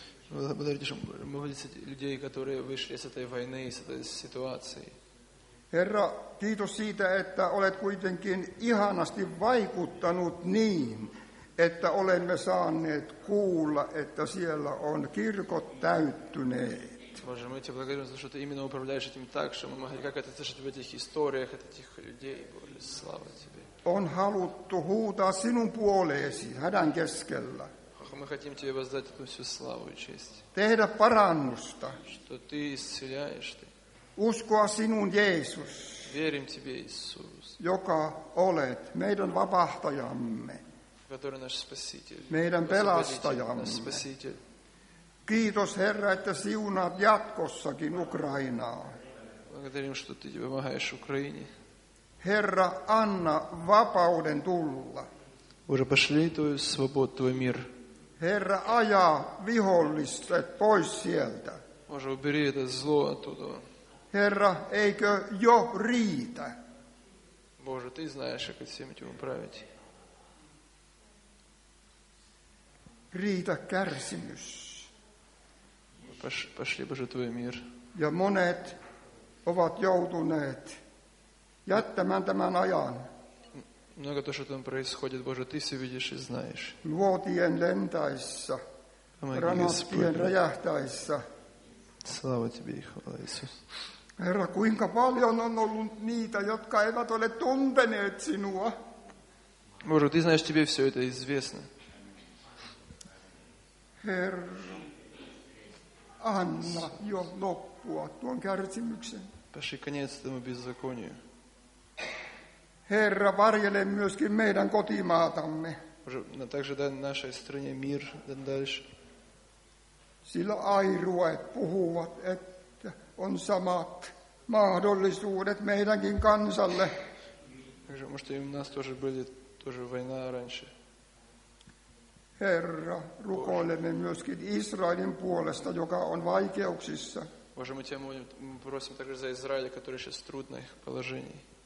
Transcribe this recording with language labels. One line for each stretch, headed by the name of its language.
Russian: Благодарите, что могли людей, которые вышли с этой войны, с этой ситуации.
Finnish: Herra, kiitos siitä, että olet kuitenkin ihanasti vaikuttanut niin, että olemme saaneet kuulla, että siellä on kirkot täyttyneet.
Russian: Боже, мы тебя благодарим за то, что ты именно управляешь этим так, что мы могли как-то слышать в этих историях от этих людей. Боже, слава тебе.
Finnish: On haluttu huutaa sinun puoleesi hädän keskellä.
Russian: Мы хотим тебе воздать эту всю славу и честь.
Finnish: Tehdä parannusta.
Russian: Что ты исцеляешь ты.
Finnish: Uskoa sinun, Jeesus.
Russian: Верим тебе, Иисус.
Finnish: Joka olet meidän vapahtajamme.
Russian: Который наш спаситель.
Finnish: Meidän pelastajamme.
Russian: Наш спаситель.
Finnish: Kiitos, Herra, että siunaat jatkossakin Ukrainaa.
Russian: Благодарим, что ты помогаешь Украине.
Finnish: Herra, anna vapauden tulla.
Russian: Боже, пошли твою свободу, твой мир.
Finnish: Herra, ajaa viholliset pois sieltä.
Russian: Боже, убери это зло оттуда.
Finnish: Herra, eikö jo riitä?
Russian: Боже, ты знаешь, как всем этим управить.
Finnish: Riitä kärsimys.
Russian: Пошли, Боже, твой мир.
Finnish: Ja monet ovat joutuneet jättämään tämän ajan.
Russian: Много того, что там происходит, Боже, ты все видишь и знаешь.
Finnish: Luotien lentäessä, ranattien räjähtäessä.
Russian: Слава тебе, хвала, Иисус.
Finnish: Herra, kuinka paljon on ollut niitä, jotka eivät ole tunteneet sinua?
Russian: Боже, ты знаешь, тебе все это известно.
Finnish: Herra, anna jo loppua tuon kärsimyksen.
Russian: Пошли конец этому беззаконию.
Finnish: Herra, varjele myöskin meidän kotimaatamme.
Russian: Также дай нашей стране мир дальше.
Finnish: Sillä airuet puhuvat, että on samat mahdollisuudet meidänkin kansalle.
Russian: Также, может, и у нас тоже были тоже война раньше.
Finnish: Herra, рукоолеме myöskin Israelin puolesta, joka on vaikeuksissa.
Russian: Боже, мы тебя просим также за Израиль, который сейчас в трудных положениях.